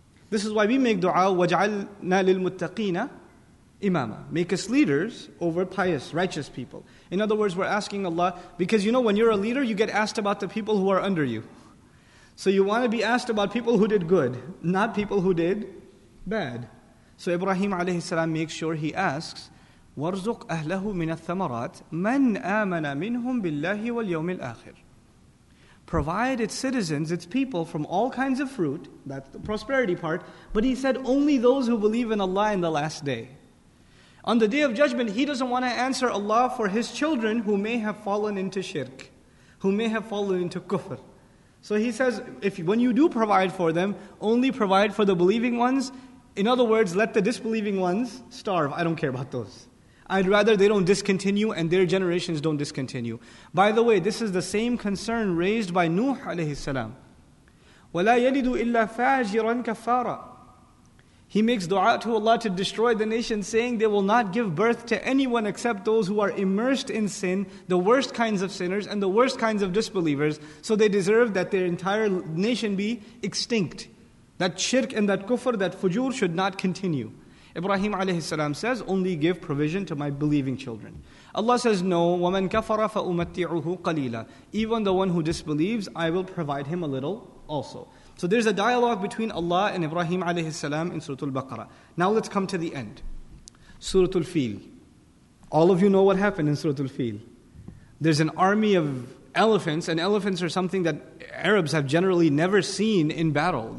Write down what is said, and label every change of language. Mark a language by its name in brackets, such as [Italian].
[English] This is why we make dua, [Arabic] وَجْعَلْنَا لِلْمُتَّقِينَ إِمَامًا. [English] Make us leaders over pious, righteous people. In other words, we're asking Allah, because you know when you're a leader, you get asked about the people who are under you. So you want to be asked about people who did good, not people who did bad. So Ibrahim alayhi salam makes sure he asks, [Arabic] وَارْزُقْ أَهْلَهُ مِنَ الثَّمَرَاتِ مَنْ آمَنَ مِنْهُمْ بِاللَّهِ وَالْيَوْمِ الْآخِرِ. [English] Provide its citizens, its people, from all kinds of fruit. That's the prosperity part. But he said, only those who believe in Allah in the last day. On the day of judgment, he doesn't want to answer Allah for his children who may have fallen into shirk, who may have fallen into kufr. So he says, when you do provide for them, only provide for the believing ones. In other words, let the disbelieving ones starve. I don't care about those. I'd rather they don't discontinue and their generations don't discontinue. By the way, this is the same concern raised by Nuh alayhi salam. [Arabic] وَلَا يَلِدُ إِلَّا فَاجِرًا كَفَّارًا. [English] He makes dua to Allah to destroy the nation, saying they will not give birth to anyone except those who are immersed in sin, the worst kinds of sinners and the worst kinds of disbelievers. So they deserve that their entire nation be extinct. That shirk and that kufr, that fujur should not continue. Ibrahim alayhi salam says, only give provision to my believing children. Allah says, no, [Arabic] وَمَنْ كَفَرَ فَأُمَتِّعُهُ قَلِيلًا. [English] Even the one who disbelieves, I will provide him a little also. So there's a dialogue between Allah and Ibrahim alayhi salam in Surah Al-Baqarah. Now let's come to the end. Surah Al-Fil. All of you know what happened in Surah Al-Fil. There's an army of elephants, and elephants are something that Arabs have generally never seen in battle.